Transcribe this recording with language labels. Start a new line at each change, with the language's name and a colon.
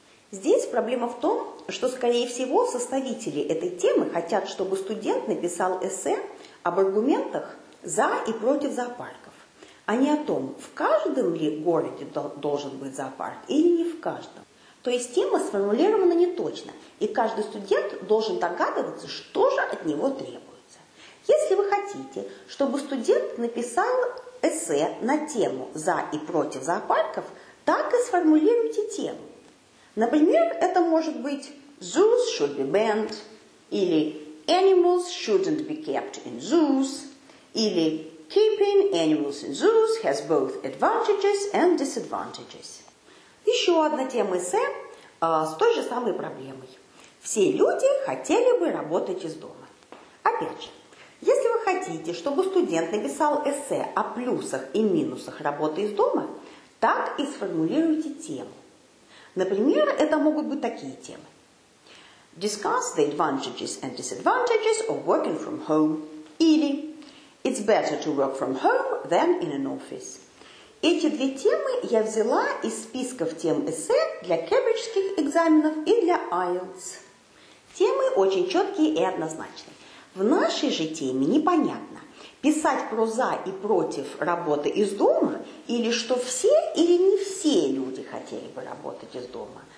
Russian: Здесь проблема в том, что, скорее всего, составители этой темы хотят, чтобы студент написал эссе об аргументах за и против зоопарков, а не о том, в каждом ли городе должен быть зоопарк или не в каждом. То есть тема сформулирована неточно, и каждый студент должен догадываться, что же от него требуется. Если вы хотите, чтобы студент написал эссе на тему «За и против зоопарков», так и сформулируйте тему. Например, это может быть
English: «Zoos should be banned», или «Animals shouldn't be kept in zoos», или «Keeping animals in zoos has both advantages and disadvantages».
Russian: Еще одна тема эссе с той же самой проблемой. Все люди хотели бы работать из дома. Опять же, если вы хотите, чтобы студент написал эссе о плюсах и минусах работы из дома, так и сформулируйте тему. Например, это могут быть такие темы.
English: Discuss the advantages and disadvantages of working from home. Или It's better to work from home than in an office.
Russian: Эти две темы я взяла из списков тем эссе для кембриджских экзаменов и для IELTS. Темы очень четкие и однозначные. В нашей же теме непонятно, писать про за и против работы из дома, или что все или не все люди хотели бы работать из дома.